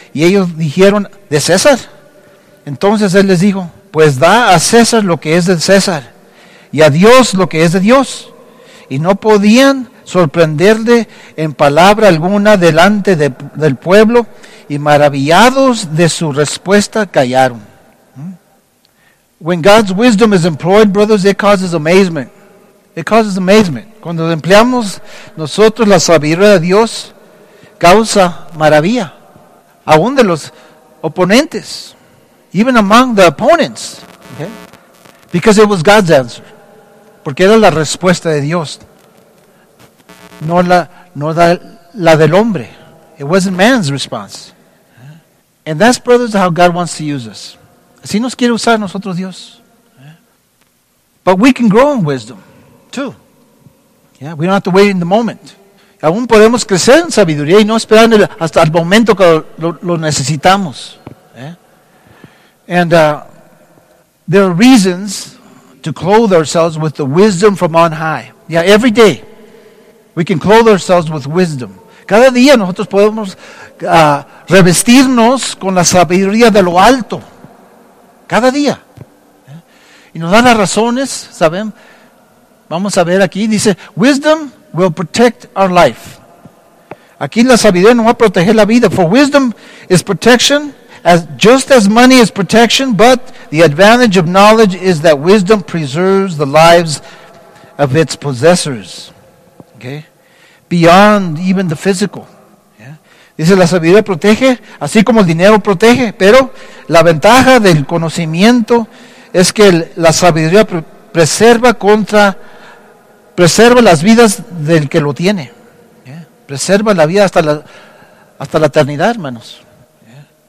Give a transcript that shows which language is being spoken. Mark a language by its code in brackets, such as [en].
[es] Y ellos dijeron, ¿de César? Entonces él les dijo, pues da a César lo que es de César y a Dios lo que es de Dios. Y no podían sorprenderle en palabra alguna delante del pueblo y maravillados de su respuesta callaron. [en] When God's wisdom is employed, brothers, it causes amazement. It causes amazement. [es] Cuando empleamos nosotros la sabiduría de Dios, causa maravilla. Aún de los oponentes. [en] Even among the opponents. Okay? Because it was God's answer. [es] Porque era la respuesta de Dios. No la del hombre. [en] It wasn't man's response. And that's, brothers, how God wants to use us. [es] Así nos quiere usar nosotros Dios. [en] But we can grow in wisdom. Too. Yeah, we don't have to wait in the moment. [es] Aún podemos crecer en sabiduría y no esperar hasta el momento que lo necesitamos. [en] Yeah. And there are reasons to clothe ourselves with the wisdom from on high. Yeah, every day we can clothe ourselves with wisdom. [es] Cada día nosotros podemos revestirnos con la sabiduría de lo alto. Cada día. Yeah. Y nos dan las razones, ¿saben? Vamos a ver aquí, dice, [en] wisdom will protect our life. [es] Aquí la sabiduría no va a proteger la vida. [en] For wisdom is protection, just as money is protection, but the advantage of knowledge is that wisdom preserves the lives of its possessors. Okay? Beyond even the physical. Yeah? [es] Dice, la sabiduría protege, así como el dinero protege, pero la ventaja del conocimiento es que la sabiduría preserva las vidas del que lo tiene. Yeah. Preserva la vida hasta la eternidad, hermanos. Yeah.